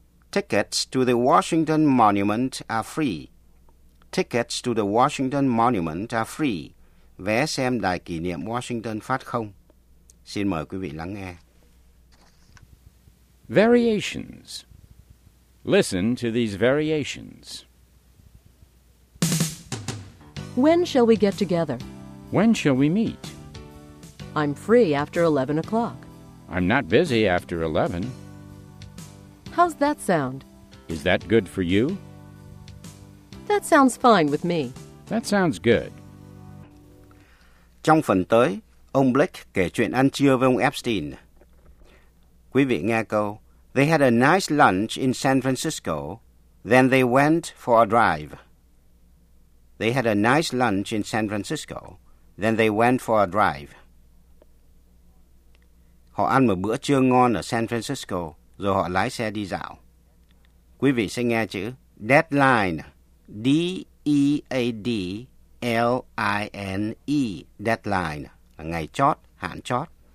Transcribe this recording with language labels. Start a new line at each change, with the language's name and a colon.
English: Tickets to the Washington Monument are free. Tickets to the Washington Monument are free.
Vietnamese: Vé xem đài kỷ niệm Washington phát không. Xin mời quý vị lắng nghe.
English: Variations. Listen to these variations. When shall we get together? When shall we meet? I'm free after 11 o'clock. I'm not busy after 11. How's that sound? Is that good for you? That sounds fine with me. That sounds good.
Vietnamese: Trong phần tới, ông Blake kể chuyện ăn trưa với ông Epstein. Quý vị nghe câu,
English: they had a nice lunch in San Francisco, then they went for a drive. They had a nice lunch in San Francisco, then they went for a drive.
Vietnamese: Họ ăn một bữa trưa ngon ở San Francisco, rồi họ lái xe đi dạo. Quý vị sẽ nghe chữ deadline, D-E-A-D-L-I-N-E, deadline, là ngày chót, hạn chót.